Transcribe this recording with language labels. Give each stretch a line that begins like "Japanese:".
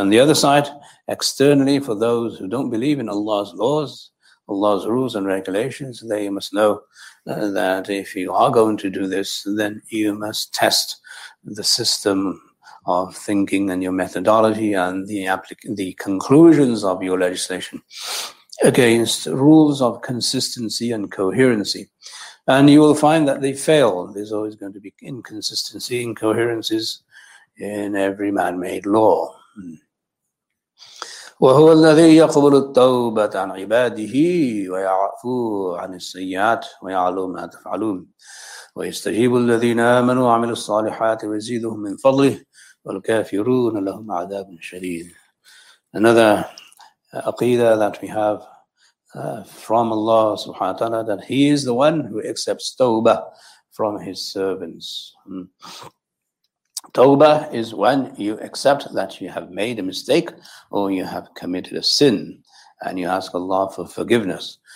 English: On the other side, externally, for those who don't believe in Allah's laws, Allah's rules and regulations, they must know that if you are going to do this, then you must test the system of thinking and your methodology and the conclusions of your legislation against rules of consistency and coherency. And you will find that they fail. There's always going to be inconsistency, incoherences in every man-made law.
Arabic: وهو الذي يقبل التوبة عن عباده ويعفو عن السيئات ويعلم ما تفعلون ويستجيب الذين آمنوا وعملوا الصالحات ويزيدهم من فضله والكافرون لهم عذاب شديد.
English: Another aqeedah that we have from Allah subhanahu wa ta'ala, that he is the one who accepts tawbah from his servants. Tawbah is when you accept that you have made a mistake or you have committed a sin and you ask Allah for forgiveness.